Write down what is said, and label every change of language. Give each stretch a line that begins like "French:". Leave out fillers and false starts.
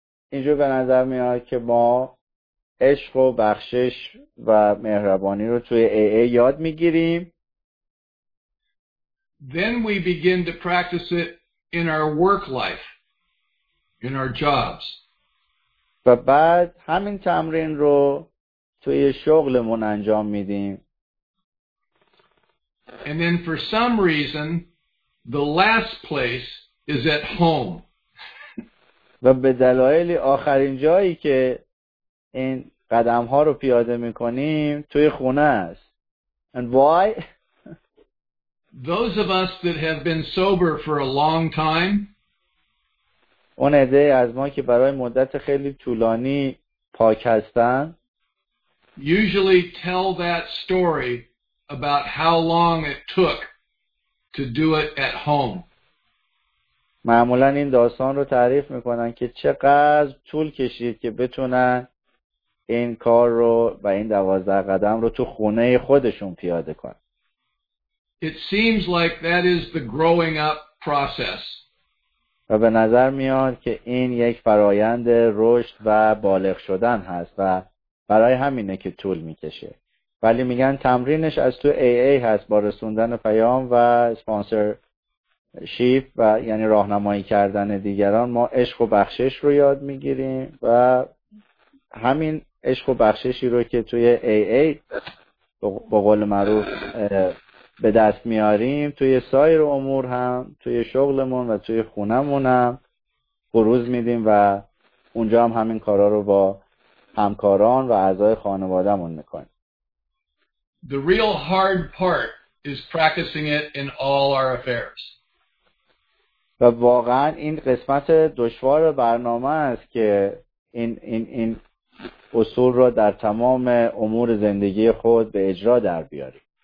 Persian: اینجور به نظر میاد که ما عشق و بخشش و مهربانی رو توی AA یاد میگیریم.
English: Then we begin to practice it in our work life, in our jobs.
Persian: و بعد همین تمرین رو توی شغلمون انجام میدیم.
English: And then for some reason the last place is at home.
Persian: و به دلایلی آخرین جایی که این قدم ها رو پیاده میکنیم توی خونه است.
English: And why? Those of us that have been sober for a long time,
Persian: اون عده از ما که برای مدت خیلی طولانی پاک هستن،
English: usually tell that story about how long it took to do it at home.
Persian: معمولا این داستان رو تعریف میکنن که چقدر طول کشید که بتونن این کار رو و این 12 قدم رو تو خونه خودشون پیاده کنن.
English: It seems like that is the growing up process.
Persian: و به نظر میاد که این یک فرایند رشد و بالغ شدن هست و برای همینه که طول میکشه. ولی میگن تمرینش از تو AA هست، با رسوندن پیام و سپانسرشیپ و یعنی راهنمایی کردن دیگران. ما عشق و بخشش رو یاد میگیریم و همین عشق و بخششی رو که توی AA با قول معروف به دست میاریم، توی سایر امور هم، توی شغلمون و توی خونمون هم بروز میدیم و اونجا هم همین کارا رو با همکاران و اعضای خانوادهمون میکنیم.
English: The real hard part is practicing it in all our affairs.
Persian: و واقعا این قسمت دشوار برنامه است که این اصول رو در تمام امور زندگی خود به اجرا در بیاریم.